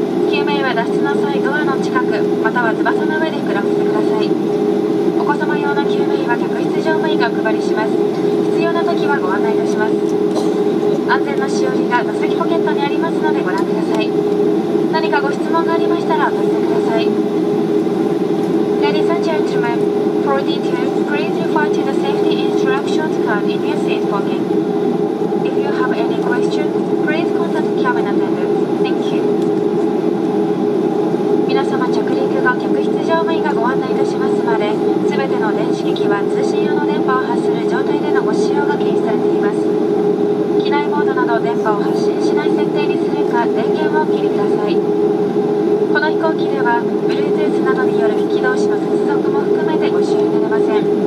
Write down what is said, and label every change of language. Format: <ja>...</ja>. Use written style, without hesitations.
<ja>救命は脱出の際、ドアの近く、または翼の上で膨らませてください。お子様用の救命は客室乗務員がお配りします。必要なときはご案内いたします。安全のしおりが座席ポケットにありますのでご覧ください。何かご質問がありましたらお尋ねください。</ja> <en>Ladies and gentlemen, for details, please refer to the safety instructions card in your seat pocketAny questions, please contact cabin attendants. Thank you.</en> <ja>皆様着陸後、客室乗務員がご案内いたしますまで、すべての電子機器は通信用の電波を発する状態でのご使用が禁止されています。機内モードなど電波を発信しない設定にするか、電源を切りください。この飛行機では、Bluetooth などによる機器同士の接続も含めてご使用になれません。</ja>